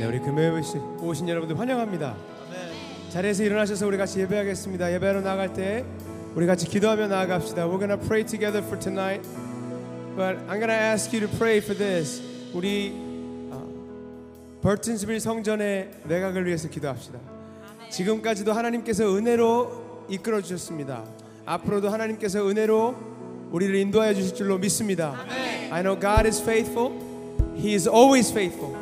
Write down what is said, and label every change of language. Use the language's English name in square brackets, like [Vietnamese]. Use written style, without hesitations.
[Korean] 네, 우리 금요일에 오신 여러분들 환영합니다. 아멘. 자리에서 일어나셔서 우리 같이 예배하겠습니다. 예배로 나갈 때 우리 같이 기도하며 나아갑시다. [English] We're gonna pray together for tonight, but I'm gonna ask you to pray for this. [Korean] 우리 버튼스빌 성전의 내각을 위해서 기도합시다. 아멘. 지금까지도 하나님께서 은혜로 이끌어 주셨습니다. 앞으로도 하나님께서 은혜로 우리를 인도하여 주실 줄로 믿습니다. 아멘. [English] I know God is faithful. He is always faithful.